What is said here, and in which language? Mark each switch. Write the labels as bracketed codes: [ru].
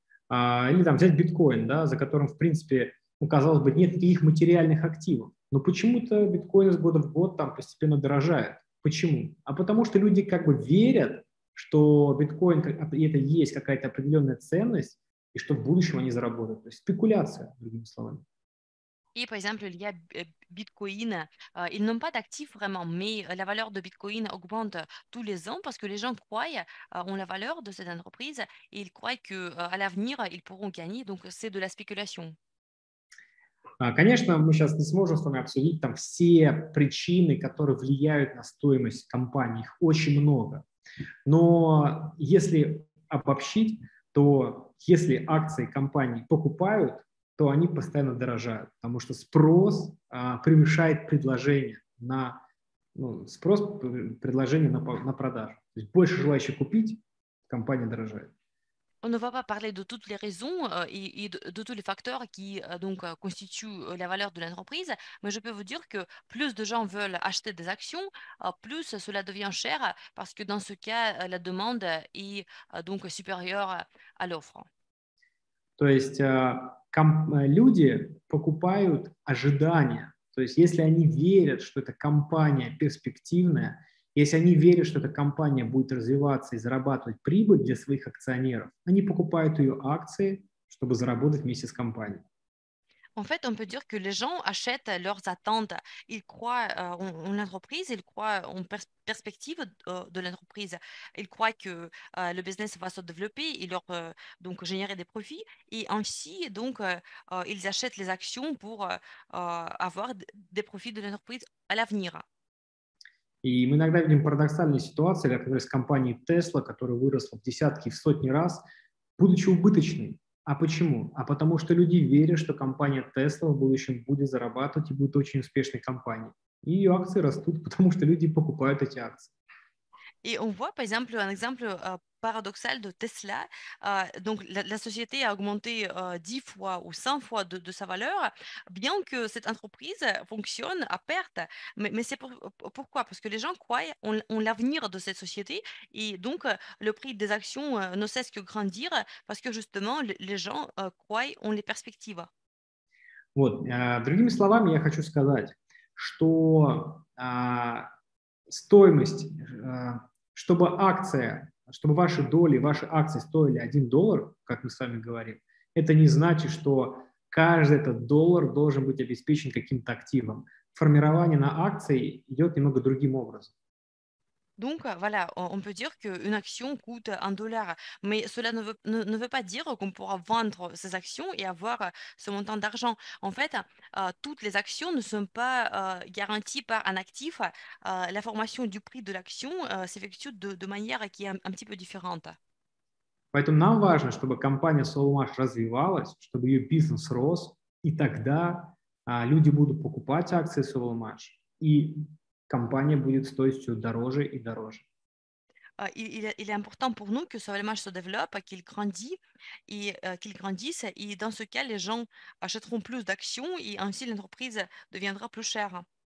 [ru] Или там взять биткоин, да, за которым, в принципе, ну, казалось бы, нет никаких материальных активов. Но почему-то биткоин с года в год там постепенно дорожает. Почему? А потому что люди как бы верят, что биткоин – это есть какая-то определенная ценность, и что в будущем они заработают. То есть спекуляция, другими словами. И, по [fr] exemple, [ru] я биткоина, [fr] ils n'ont pas d'actifs vraiment, mais la valeur de Bitcoin augmente tous les ans parce que les gens croient en la valeur de cette entreprise et ils croient que à l'avenir ils pourront gagner, donc c'est de la spéculation. [ru] Конечно, мы сейчас не сможем с вами обсудить там все причины, которые влияют на стоимость компании, их очень много. Но если обобщить, то если акции компании покупают, то они постоянно дорожают, потому что спрос превышает предложение на, ну, спрос, предложение на продажу. То есть больше желающих купить, компания дорожает. [fr] On ne va pas parler de toutes les raisons et de tous les facteurs qui donc, constituent la valeur de l'entreprise, mais je peux vous dire que plus de gens veulent acheter des actions, plus cela devient cher parce que dans ce cas, la demande est donc supérieure à l'offre. [ru] То есть люди покупают ожидания. То есть если они верят, что эта компания перспективная, если они верят, что эта компания будет развиваться и зарабатывать прибыль для своих акционеров, они покупают ее акции, чтобы заработать вместе с компанией. [fr] En fait, on peut dire que les gens achètent leurs attentes. Ils croient en l'entreprise, ils croient en perspective de l'entreprise. Ils croient que le business va se développer et leur donc générer des profits. Et ainsi, donc, ils achètent les actions pour avoir des profits de l'entreprise à l'avenir. [ru] И мы иногда видим парадоксальные ситуации, например, с компанией Tesla, которая выросла в десятки, в сотни раз, будучи убыточной. А почему? А потому что люди верят, что компания Tesla в будущем будет зарабатывать и будет очень успешной компанией. И ее акции растут, потому что люди покупают эти акции. И [fr] on voit, par exemple, un exemple paradoxal de Tesla. Donc, la société a augmenté 10 fois ou 100 fois de sa valeur, bien que cette entreprise fonctionne à perte. Mais c'est pourquoi? Parce que les gens croient en l'avenir de cette société et donc le prix des actions ne cesse que grandir parce que justement, les gens croient en les perspectives. [ru] Вот. Другими словами, я хочу сказать, что стоимость, чтобы акция, чтобы ваши доли, ваши акции стоили 1 доллар, как мы с вами говорим, Это не значит, что каждый этот доллар должен быть обеспечен каким-то активом. Формирование на акции идет немного другим образом. [fr] Donc voilà, on peut dire qu'une action coûte un dollar, mais cela ne veut pas dire qu'on pourra vendre ces actions et avoir ce montant d'argent. En fait, toutes les actions ne sont pas garanties par un actif. La formation du prix de l'action s'effectue de manière qui est un petit peu différente. [ru] Поэтому нам важно, чтобы компания Solmash развивалась, чтобы ее бизнес рос, и тогда люди будут покупать акции Solmash, и компания будет стоить все дороже и дороже. [fr] Il est important pour nous que Solmash se développe, qu'il grandisse, [ru] и [fr] dans ce cas, les gens achèteront plus d'actions, и ainsi l'entreprise deviendra plus chère.